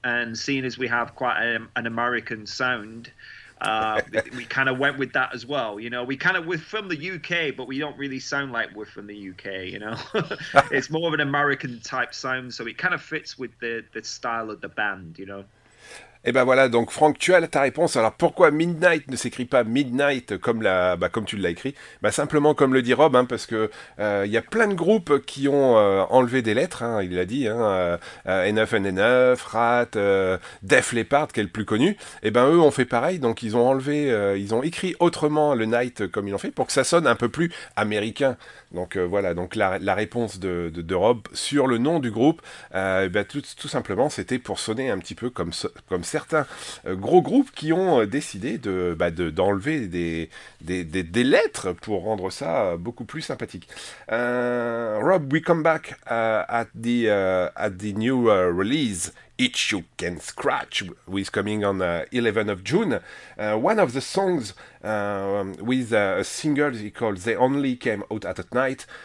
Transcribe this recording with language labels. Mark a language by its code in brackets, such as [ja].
[en] And seeing as we have quite an American sound, we kind of went with that as well. You know, we're from the UK, but we don't really sound like we're from the UK, you know. It's more of an American type sound. So it kind of fits with the style of the band, you know. [fr] Et ben voilà, donc Franck, tu as ta réponse. Alors pourquoi Midnight ne s'écrit pas Midnight comme tu l'as écrit? Ben simplement comme le dit Rob, hein, parce que il y a plein de groupes qui ont enlevé des lettres, hein, il l'a dit, hein, NF, Rat, Def Leppard, qui est le plus connu. Et ben eux ont fait pareil, donc ils ont enlevé, ils ont écrit autrement le Night comme ils l'ont fait, pour que ça sonne un peu plus américain. Donc voilà, donc la réponse de Rob sur le nom du groupe, ben tout simplement, c'était pour sonner un petit peu comme certains gros groupes qui ont décidé d'enlever des lettres pour rendre ça beaucoup plus sympathique. [en] Rob, we come back at the new release. Itch You Can Scratch, who is coming on 11th of June. One of the songs with a single he called They Only Came Out at Night.